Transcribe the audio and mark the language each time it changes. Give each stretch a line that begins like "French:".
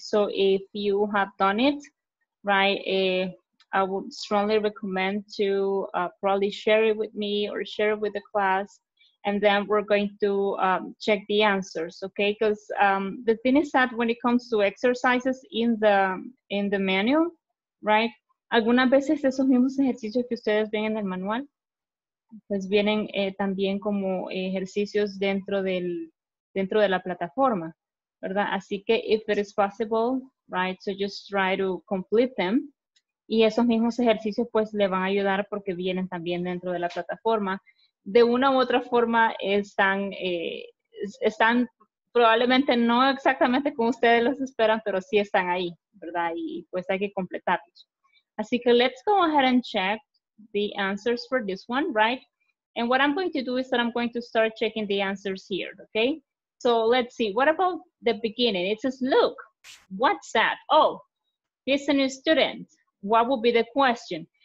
English: So if you have done it, right, I would strongly recommend to probably share it with me or share it with the class, and then we're going to check the answers, okay? Because the thing is that when it comes to exercises in the manual, right?
Spanish: Algunas veces esos mismos ejercicios que ustedes ven en el manual, pues vienen también como ejercicios dentro de la plataforma, ¿verdad? Así que,
English: if it is possible, right, so just try to complete them.
Spanish: Y esos mismos ejercicios, pues, le van a ayudar porque vienen también dentro de la plataforma. De una u otra forma, están probablemente no exactamente como ustedes los esperan, pero sí están ahí, ¿verdad? Y pues hay que completarlos. Así que
English: let's go ahead and check the answers for this one, right? And what I'm going to do is that I'm going to start checking the answers here, okay? So let's see, what about the beginning? It says, look, what's that? Oh, he's a new student. What would be the question?